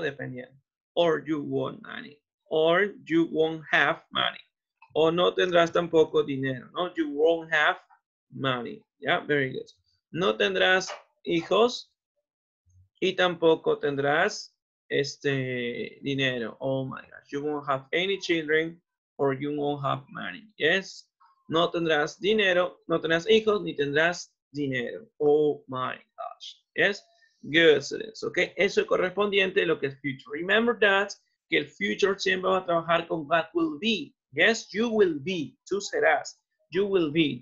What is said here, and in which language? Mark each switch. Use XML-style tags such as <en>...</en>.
<es>Dependiendo.</es> <en>Or you won't money. Or you won't have money.</en> <es>O no tendrás tampoco dinero, ¿no?</es> <en>You won't have money. Yeah, very good.</en> <es>No tendrás hijos y tampoco tendrás este dinero.</es> <en>Oh my gosh. You won't have any children or you won't have money. Yes.</en> <es>No tendrás dinero, no tendrás hijos ni tendrás dinero.</es> <en>Oh my gosh. Yes, good. Okay,</en> <es>eso es correspondiente a lo que es future.</es> <en>Remember that,</en> <es>que el future siempre va a trabajar con</es> <en>what will be. Yes, you will be.</en> <es>Tú serás.</es> <en>You will be.</en>